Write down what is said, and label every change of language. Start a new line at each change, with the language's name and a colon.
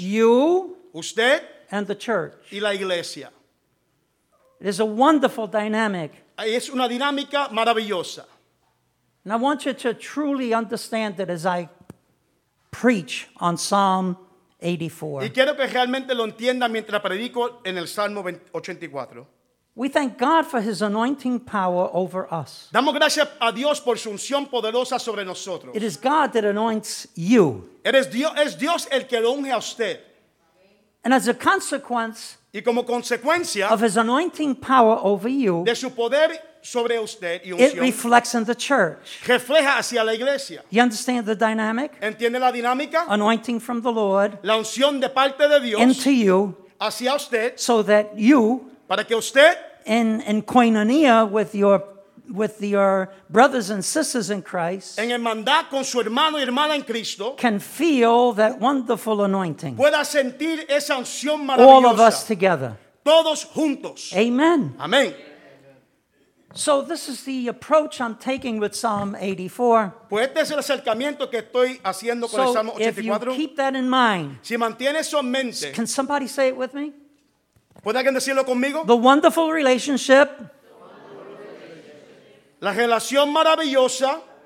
English: You.
Spanish: Usted.
English: And the church.
Spanish: Y la iglesia.
English: It is a wonderful dynamic.
Spanish: Es una dinámica maravillosa.
English: And I want you to truly understand that as I preach on Psalm 84.
Spanish: Y quiero que realmente lo entienda mientras predico en el Salmo 84.
English: We thank God for His anointing power over us.
Spanish: Damos gracias a Dios por su unción poderosa sobre nosotros.
English: It is God that anoints you.
Spanish: Es Dios el que lo unge a usted.
English: And as a consequence,
Spanish: y como consecuencia,
English: of His anointing power over you,
Spanish: de su poder sobre usted y unción,
English: it reflects in the church.
Spanish: Refleja hacia la iglesia.
English: You understand the dynamic?
Spanish: ¿Entiende la dinámica?
English: Anointing from the Lord,
Spanish: la unción de parte de Dios,
English: into you,
Spanish: hacia usted,
English: so that you,
Spanish: para que usted,
English: in koinonia with your brothers and sisters in Christ,
Spanish: en hermandad con su hermano y hermana en Cristo,
English: can feel that wonderful anointing.
Spanish: Pueda sentir esa unción maravillosa.
English: All of us together.
Spanish: Todos juntos. Amen. Amén.
English: So this is the approach I'm taking with Psalm 84.
Spanish: Pues este es el acercamiento que estoy haciendo con
English: so
Spanish: el Salmo 84.
English: If you keep that in mind,
Spanish: si mantiene eso en mente,
English: can somebody say it with me?
Spanish: ¿Puede alguien decirlo conmigo?
English: The wonderful relationship.
Spanish: La relación maravillosa.